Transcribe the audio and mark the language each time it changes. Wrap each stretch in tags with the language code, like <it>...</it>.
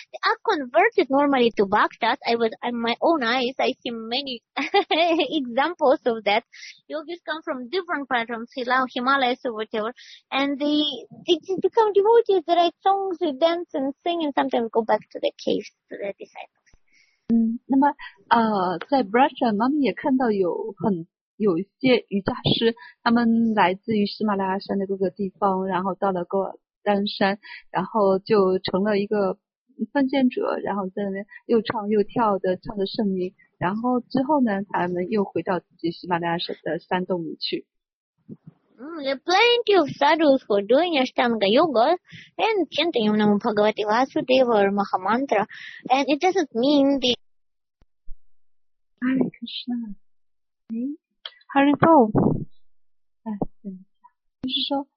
<en>They are converted normally to Bhaktas. I was, on my own eyes, I see many examples of that. Yogis come from different parts, from Himalayas or whatever, and they just become devotees, they write songs, they dance and sing, and sometimes go back to the caves to their disciples.</en> <zh>那么在 Braja, 妈妈也看到有一些瑜伽师，他们来自于喜马拉雅山的各个地方，然后到了高尔丹山，然后就成了一个奉献者，然后在那边又唱又跳的唱着圣名，然后之后呢，他们又回到自己喜马拉雅山的山洞里去。</zh> <en>There are plenty of sadhus who are doing Ashtanga Yoga and chanting Namo Bhagavate Vasudeva or Maha Mantra, and it doesn't mean the. Hare Krishna. Hey.Hare Krishna.</en> <zh>就是说</zh>